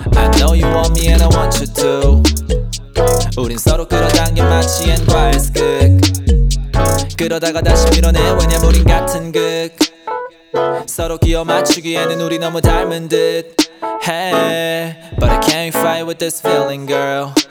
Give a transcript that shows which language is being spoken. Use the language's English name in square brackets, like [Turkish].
[English] I know you want me and I want you too. [Korean] 우린 서로 끌어당겨 마치 N과 S극. 그러다가 다시 밀어내 왜냐 우린 같은 극. 서로 끼워 맞추기에는 우리 너무 닮은 듯. [English] Hey, but I can't fight with this feeling, girl.